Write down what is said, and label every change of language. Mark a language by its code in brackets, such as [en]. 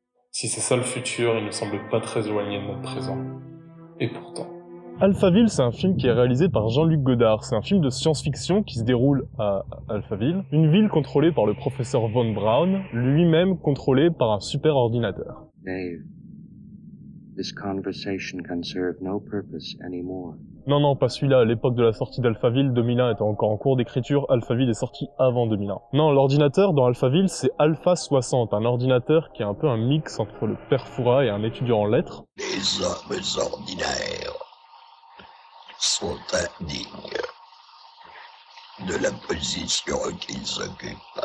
[fr] Si c'est ça le futur, il ne semble pas très éloigné de notre présent. Et pourtant... Alphaville, c'est un film qui est réalisé par Jean-Luc Godard. C'est un film de science-fiction qui se déroule à Alphaville, une ville contrôlée par le professeur Von Braun, lui-même contrôlé par un super-ordinateur. [en] Dave, this conversation can serve no purpose anymore. [fr] Non, non, pas celui-là. À l'époque de la sortie d'Alphaville, 2001 était encore en cours d'écriture, Alphaville est sorti avant 2001. Non, l'ordinateur dans Alphaville, c'est Alpha 60, un ordinateur qui est un peu un mix entre le père Foura et un étudiant en lettres. Les hommes ordinaires sont indignes de la position qu'ils occupent.